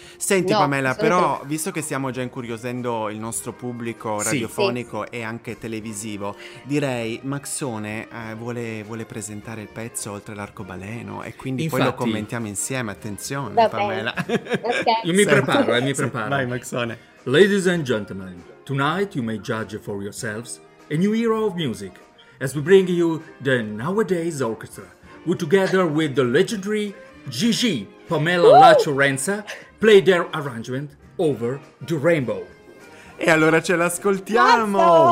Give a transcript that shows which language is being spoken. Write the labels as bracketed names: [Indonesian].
[Italian] Senti, Pamela, però, visto che stiamo già incuriosendo il nostro pubblico radiofonico e anche televisivo, direi Maxone vuole presentare il pezzo Oltre l'arcobaleno e quindi poi lo commentiamo insieme. Attenzione, Pamela. Okay. Io mi preparo. Vai, Maxone. [English] Ladies and gentlemen, tonight you may judge for yourselves a new era of music as we bring you the Nowadays Orchestra, who together with the legendary Gigi Pamela Lachorenza play their arrangement Over the Rainbow. [Italian] E allora ce l'ascoltiamo!